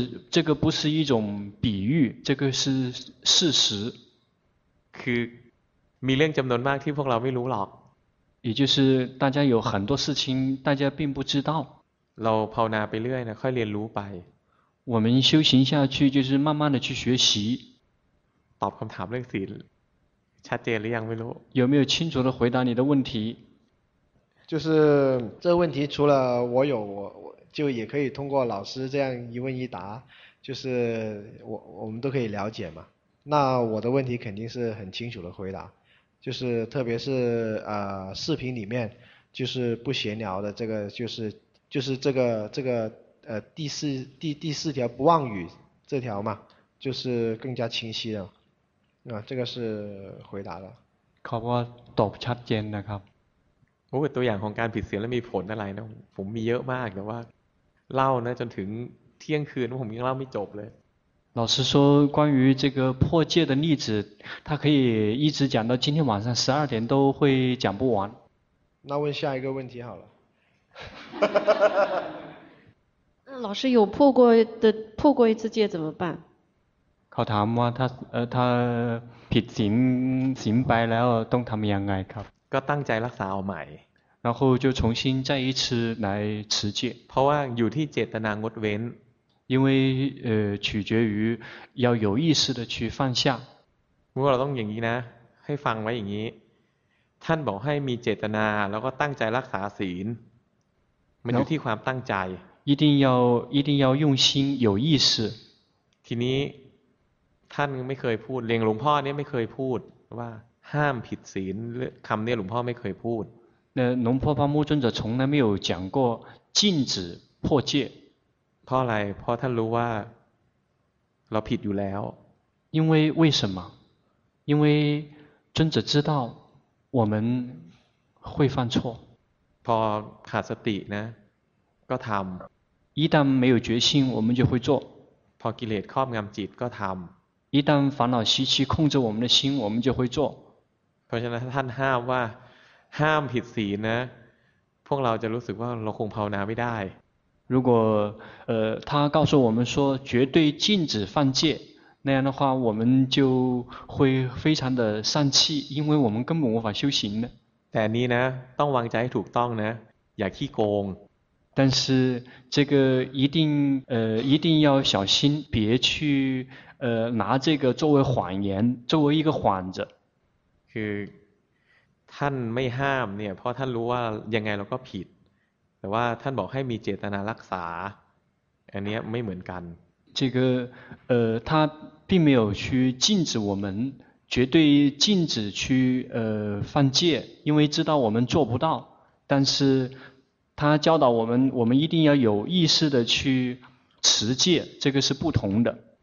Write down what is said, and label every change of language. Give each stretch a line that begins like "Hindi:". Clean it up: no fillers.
Chinese: 这个不是一种比喻这个是事实
Thai: คือมีเรื่องจำนวนมากที่พวกเราไม่รู้หรอก
Chinese: 也就是大家有很多事情大家并不知道
Thai: เราภาวนาไปเรื่อยนะค่อยเรียนรู้ไป
Chinese: 我们修行下去就是慢慢的去学习
Thai: ตอบคำถามเรื่องศีลชัดเจนหรือยังไม่รู้
Chinese: 有没有清楚的回答你的问题就是这问题除了我有我就也可以通过老师这样一问一答就是我们都可以了解嘛那我的问题肯定是很清楚的回答就是特别是视频里面就是不闲聊的这个就是这个第四条不妄语这条嘛就是更加清晰了这个是回答的
Thai: เขาบอกตอบชัดเจนนะครับ โอ้ตัวอย่างของการผิดศีลแล้วมีผลอะไรนะผมมีเยอะมากแต่ว่าเล่านะจนถึงเที่ยงคืนผมยังเล่าไม่จบเลย
Chinese: 老师说关于这个破戒的例子他可以一直讲到今天晚上12点都会讲不完那问下一个问题好了老师有破过一次戒怎么办
Thai: เขาถามว่าถ้าผิดศีลไปแล้วต้องทำยังไงครับ ก็ตั้งใจรักษาเอาใหม่
Chinese: 然后就重新再一次来持戒
Thai: เพราะว่าอยู่ที่เจตนางดเว้น
Chinese: 因为取决于要有意识的去放下
Thai: 如果เราต้องอย่างนี้นะให้ฟังไว้อย่างนี้ท่านบอกให้มีเจตนาแล้วก็ตั้งใจรักษาศีลมันอยู่ที่ความตั้งใจ
Chinese: 一定要用心有意识
Thai: ทีนี้ท่านไม่เคยพูดเรียงหลวงพ่อเนี่ยไม่เคยพูดว่าห้ามผิดศีลคำเนี่ยหลวงพ่อไม่เคยพูด เนี่ยหลวงพ่อพระมุ่งจนจะ
Chinese: 从来没有讲过禁止破戒
Thai: เพราะอะไรเพราะท่านรู้ว่าเราผิดอยู่แล้ว
Chinese: 因为为什么因为尊者知道我们会犯错
Thai: พอขาดสตินะก็ทำ
Chinese: 一旦没有决心我们就会做
Thai: พอกิเลสครอบงำจิตก็ทำ
Chinese: 一旦烦恼习气控制我们的心我们就会做
Thai: เพราะฉะนั้นท่านห้ามว่าห้ามผิดศีลนะพวกเราจะรู้สึกว่าเราคงภาวนาไม่ได้
Chinese: 如果他告诉我们说绝对禁止犯戒那样的话我们就会非常的丧气因为我们根本无法修行的
Thai: แต่นี้นะต้องวางใจให้ถูกต้องนะอย่าขี้โกง
Chinese: 但是这个一定要小心别去拿这个作为谎言作为一个幌子
Thai: คือท่านไม่ห้ามเนี่ยเพราะท่านรู้ว่ายังไงเราก็ผิดแต่ว่าท่านบอกให้มีเจตนารักษาอันนี้ไม่เหมือนกัน
Chinese: 这个他并没有去禁止我们绝对禁止去犯戒因为知道我们做不到但是他教导我们我们一定要有意识的去持戒这个是不同的